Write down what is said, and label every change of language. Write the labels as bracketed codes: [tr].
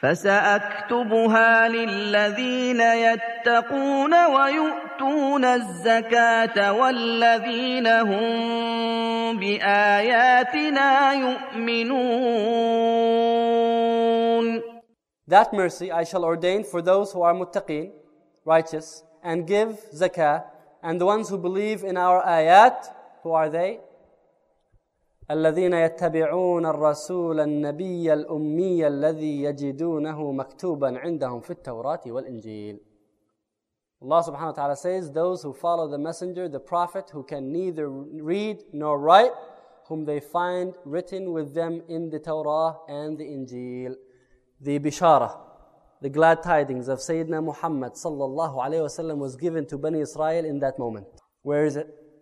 [ar] فَسَأَكْتُبُهَا لِلَّذِينَ يَتَّقُونَ وَيُؤْتُونَ الزَّكَاةَ وَالَّذِينَ هُمْ بِآيَاتِنَا يُؤْمِنُونَ. [en] That mercy I shall ordain for those who are muttaqin, righteous, and give zakah, and the ones who believe in our ayat, who are they? [ar] الذين يتبعون الرسول النبي الأمي الذي يجدونه مكتوبا عندهم في التوراة والإنجيل. [en] Allah subhanahu wa ta'ala says, those who follow the messenger, the prophet, who can neither read nor write, whom they find written with them in the Torah and the Injil. The Bishara, the glad tidings of Sayyidina Muhammad sallallahu alayhi wa sallam was given to Bani Israel in that moment. Where is it?